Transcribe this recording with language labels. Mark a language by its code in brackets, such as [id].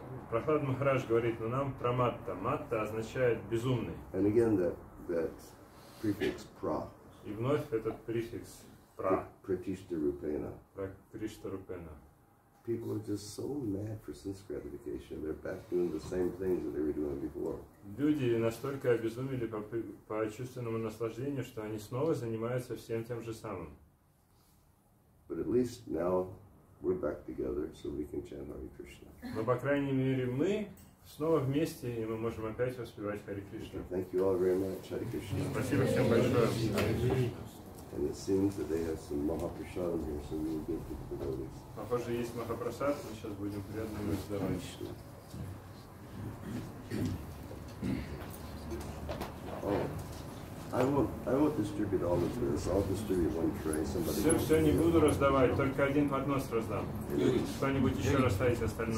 [ru] Прохлад Махарадж говорит, нунам праматта. Матта означает безумный. [en] And again that prefix pra. [ru] И вновь этот префикс pra. [sa] Pratishta rupena. Pratishta rupena. [en] People are just so mad for sense gratification. They're back doing the same things that they were doing before. [ru] Люди настолько обезумели по чувственному наслаждению, что они снова занимаются всем тем же самым. [en] But at least now we're back together, so we can chant Hare Krishna. [ru] Но по крайней мере мы снова вместе, и мы можем опять воспевать Хари Кришну. [en] Thank you all very much, Hare Krishna. [ru] Спасибо всем большое. [en] And it seems that they have some Mahaprasadam here, so we will give to the devotees. [ru] Похоже, есть Махапрасад, мы сейчас будем приятно его раздавать. [en] Oh, I won't distribute all of this. I'll distribute one tray. Somebody. [ru] Все не буду раздавать, только один поднос раздам. Кто-нибудь еще раздает остальное.